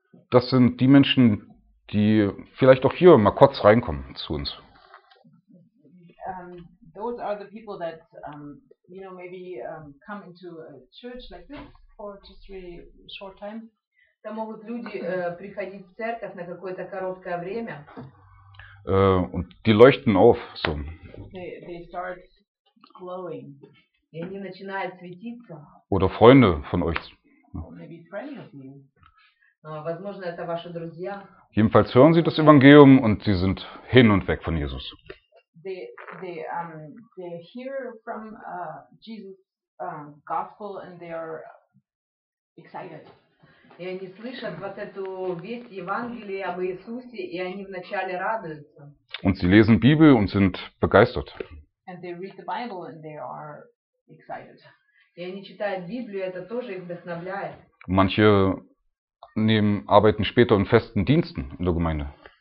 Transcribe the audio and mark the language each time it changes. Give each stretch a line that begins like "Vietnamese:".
German: Das sind die Menschen, die vielleicht auch hier mal kurz reinkommen zu uns.
English: Those are the people that you know maybe come into a church like this for just really short time.
Russian: Da могут люди приходить в церковь на какое-то короткое время.
German: Und die leuchten auf so.
English: They start glowing.
Russian: И они начинают светиться.
German: Oder Freunde von euch.
English: Maybe friends of you.
Russian: Возможно, это ваши друзья.
German: Jedenfalls hören sie das Evangelium und sie sind hin und weg von Jesus.
English: They hear from Jesus' gospel and they are excited.
Russian: И они слышат вот эту весть Евангелия об Иисусе, и они вначале радуются.
German: Und sie lesen Bibel und sind begeistert.
English: And they read the Bible and they are excited.
Russian: И они читают Библию, это тоже их вдохновляет.
German: Manche nehmen arbeiten später in festen Diensten in der Gemeinde.